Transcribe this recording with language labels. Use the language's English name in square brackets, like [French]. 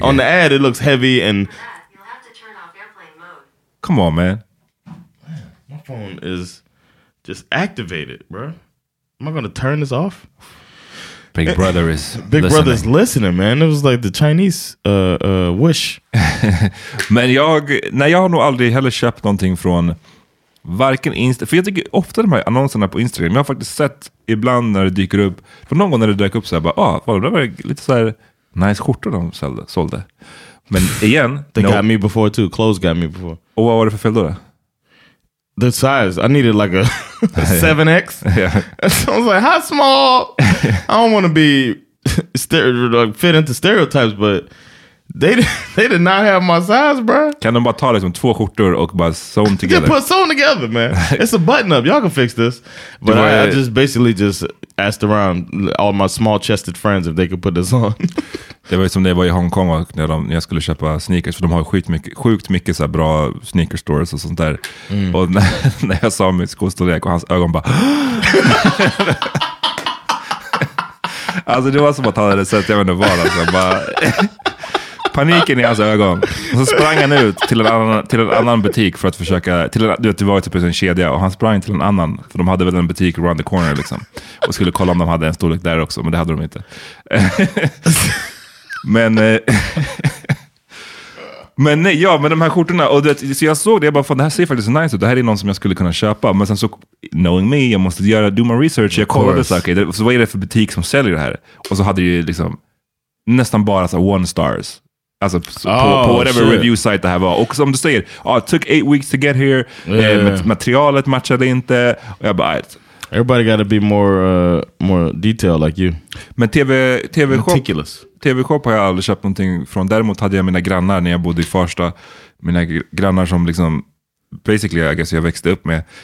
[English] On the ad, it looks heavy and. Come on, man. My phone is just activated, bro. Am I gonna turn this off? Big brother is. Big brother's listening, man. It was like the Chinese wish. [Swedish] Men jag har nog aldrig heller köpt någonting från. Varken Instagram, för jag tycker ofta de här annonserna på Instagram, jag har faktiskt sett ibland när det dyker upp, för någon gång när det dyker upp så här, bara, det var lite så här nice skjortor de sålde. Men igen, [English] got me before too, clothes got me before. [Swedish] Och vad var det för fel då? [English] The size, I needed like a 7X. Yeah. I was like, how small? I don't want to be fit into stereotypes, but They did not have my size, bro. [Swedish] Kan de bara ta liksom två skjortor och bara [English] sew them together? Yeah, put sew them together, man. It's a button-up. Y'all can fix this. But I just basically just asked around all my small-chested friends if they could put this on. [Swedish] Det var som när jag var i Hong Kong och när jag skulle köpa sneakers. För de har sjukt mycket så här bra sneaker stores och sånt där. Mm. Och när jag sa mitt skostorlek och hans ögon bara... alltså det var som att han hade sett, jag vet inte vad. Alltså, bara... paniken i hans ögon. Och så sprang han ut till en annan butik för att försöka, till en, du vet, det var typ en kedja, och han sprang till en annan, för de hade väl en butik [English] around the corner [Swedish] liksom, och skulle kolla om de hade en storlek där också, men det hade de inte. Men men nej, ja, men de här skjortorna, och det, så jag såg det, jag bara, fan, det här ser faktiskt nice ut, det här är någon som jag skulle kunna köpa. Men sen så, [English] knowing me, [Swedish] jag måste göra, [English] do my research, [Swedish] jag kollade så, okay, det, så vad är det för butik som säljer det här? Och så hade ju liksom nästan bara så one stars, alltså på whatever review site det här var. Och som du säger, [English] oh, it took 8 weeks to get here, [Swedish] materialet matchade inte, och jag bara, right. [English] Everybody gotta be more more detailed like you. [Swedish] Men TV-shop har jag aldrig köpt någonting från. Däremot hade jag mina grannar när jag bodde i Farsta. Mina grannar som liksom [English] basically, I guess, [Swedish] jag växte upp med.